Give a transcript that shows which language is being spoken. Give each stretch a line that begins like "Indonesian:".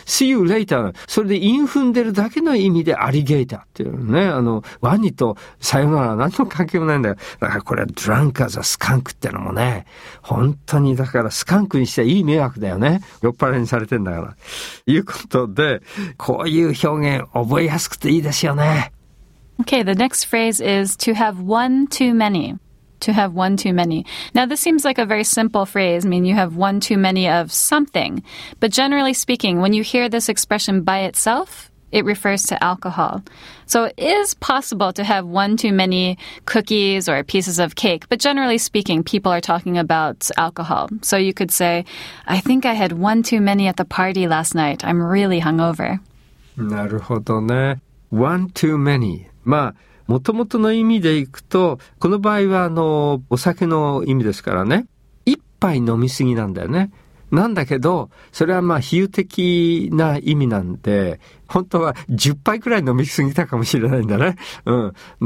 English: See you later、
Japanese: それで韻踏んでるだけの意味でアリゲーターっていうね、ワニとさよなら何の関係もないんだよ。だからこれは
English: Drunk as a skunk
Japanese: ってのもね、本当にだからスカンクにしていい迷惑だよね、酔っ払いにされてんだから。いうことでこういう表現覚えやすくていいですよね。
English: Okay, the next phrase is to have one too manyTo have one too many. Now, this seems like a very simple phrase. I mean, you have one too many of something. But generally speaking, when you hear this expression by itself, it refers to alcohol. So it is possible to have one too many cookies or pieces of cake. But generally speaking, people are talking about alcohol. So you could say, I think I had one too many at the party last night. I'm really hungover.
Japanese: なるほどね。
English: One too many.
Japanese: まあ、元々の意味でいくと、この場合はお酒の意味ですからね、一杯飲みすぎなんだよね。なんだけど、それはまあ比喩的な意味なんで、本当は10杯くらい飲みすぎたかもしれないんだね。うん。